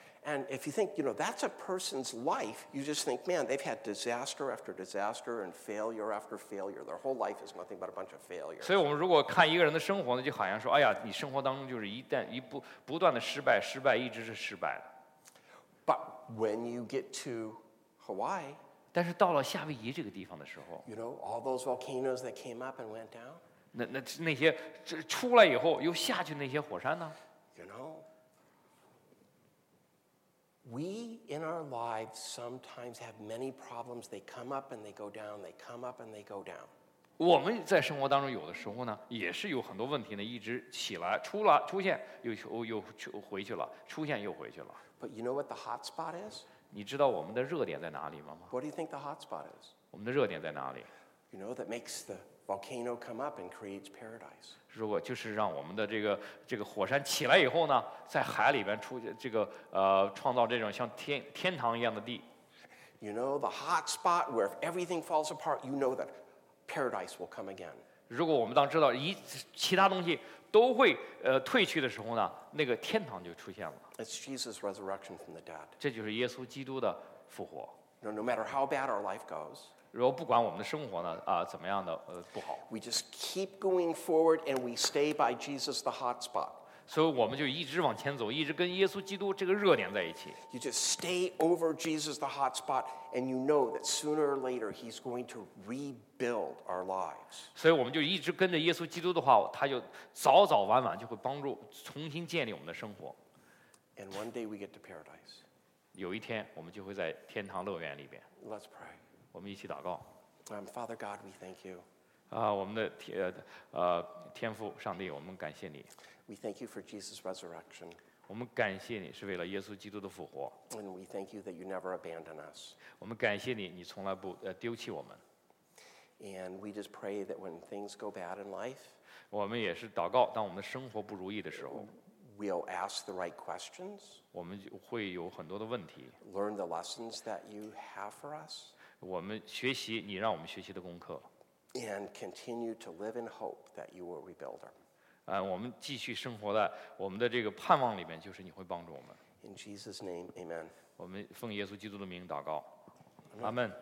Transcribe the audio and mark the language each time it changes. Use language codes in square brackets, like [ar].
[en] And if you think, you know, that's a person's life, you just think, man, they've had disaster after disaster and failure after failure. Their whole life is nothing but a bunch of failures. [zh] 所以我们如果看一个人的生活呢，就好像说，哎呀，你生活当中就是不断的失败，失败一直是失败的。 [en] But when you get to Hawaii. [zh] 但是到了夏威夷这个地方的时候 [en] ，You know all those volcanoes that came up and went down. [zh] 那些出来以后又下去那些火山呢 [en] ？You know, we in our lives sometimes have many problems. They come up and they go down. They come up and they go down. [zh] 我们在生活当中有的时候呢，也是有很多问题呢，一直起来出了出现又回去了，出现又回去了。 [en] But you know what the hot spot is? [zh] 你知道我们的热点在哪里吗 [en] ？What do you think the hot spot is？ [zh] 我们的热点在哪里 [en] ？You know that makes the volcano come up and creates paradise。 [zh] 如果就是让我们的这个火山起来以后呢，在海里边出这个创造这种像天堂一样的地。 [en] You know the hot spot where if everything falls apart, you know that paradise will come again。 [zh] 如果我们当知道其他东西都会退去的时候呢，那个天堂就出现了。 [en] It's Jesus' resurrection from the dead. [zh] 这就是耶稣基督的复活。 [en] No matter how bad our life goes, [zh] 如果不管我们的生活呢怎么样的不好 [en] ，we just keep going forward and we stay by Jesus the hot spot. [zh] 所以我们就一直往前走，一直跟耶稣基督这个热点在一起。 [en] You just stay over Jesus the hot spot, and you know that sooner or later He's going to rebuild our lives. [zh] 所以我们就一直跟着耶稣基督的话，他就早早晚晚就会帮助重新建立我们的生活。 [en] And one day we get to paradise. [zh] 有一天我们就会在天堂乐园里边。 [en] Let's pray. [zh] 我们一起祷告。 [en] Father God, we thank you. [zh] 我们的天父上帝，我们感谢你。 [en] We thank you for Jesus' resurrection. [zh] 我们感谢你是为了耶稣基督的复活。 [en] And we thank you that you never abandon us. [zh] 我们感谢你，你从来不丢弃我们。 [en] And we just pray that when things go bad in life. [zh] 我们也是祷告，当我们的生活不如意的时候。 [en] We'll ask the right questions. [zh] 我们会有很多的问题。 [en] Learn the lessons that you have for us. [zh] 我们学习你让我们学习的功课。 [en] And continue to live in hope that you will rebuild them. [zh] 我们继续生活在我们的这个盼望里面，就是你会帮助我们。 [en] In Jesus' name, Amen. [zh] 我们奉耶稣基督的名祷告，阿门。